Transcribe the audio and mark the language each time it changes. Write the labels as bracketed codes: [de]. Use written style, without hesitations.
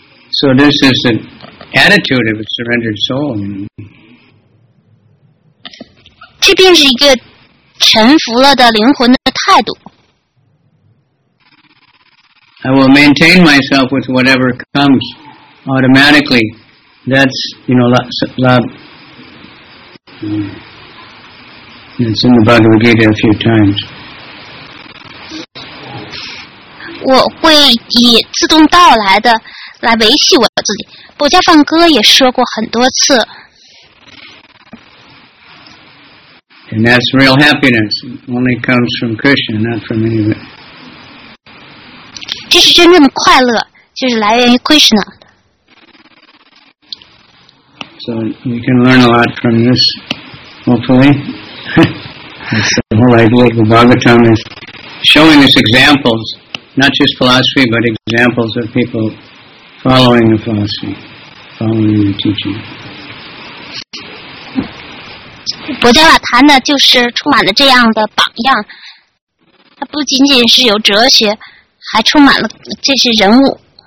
[en] So this is a attitude of a surrendered soul. [zh] 这便是一个臣服了的灵魂的态度。 [en] I will maintain myself with whatever comes automatically. That's, you know, love. It's in the Bhagavad Gita a few times. [zh] 我会以自动到来的来维系我自己。薄伽梵歌也说过很多次。 [en] And that's real happiness. Only comes from Krishna, not from anybody. [zh] 这是真正的快乐，就是来源于 Krishna。 [en] So we can learn a lot from this, hopefully. That's the whole idea. The Bhagavatam is showing us examples. Not just philosophy, but examples of people following the philosophy, following the teaching. [zh] 薄伽梵谈的就是充满了这样的榜样，它不仅仅是有哲学，还充满了这些人物。